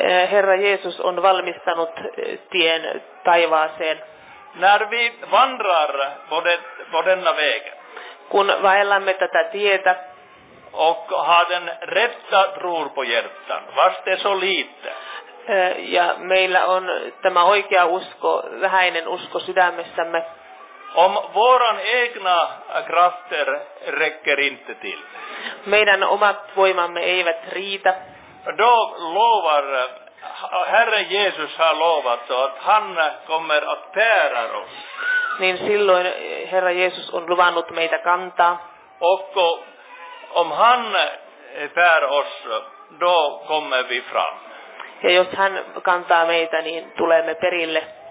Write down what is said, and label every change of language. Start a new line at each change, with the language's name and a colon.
Finnish: Herra Jeesus on valmistanut tien taivaaseen.
Swedish: När vi vandrar på denna vägen.
Finnish: Kun vaellamme tätä tietä.
Swedish: Och har den rätta tror på hjärtan. Fast det så lite.
Finnish: Ja meillä on tämä oikea usko, vähäinen usko sydämessämme.
Swedish: Om våran egna krafter räcker inte till.
Finnish: Meidän omat voimamme eivät riitä.
Swedish: Då lovar, Herre Jesus har lovat så att han kommer att bära oss.
Finnish: Niin silloin Herra Jeesus on luvannut meitä kantaa.
Swedish: Och om han bär oss, då kommer vi fram.
Finnish: Ja jos hän kantaa meitä, niin tulemme perille.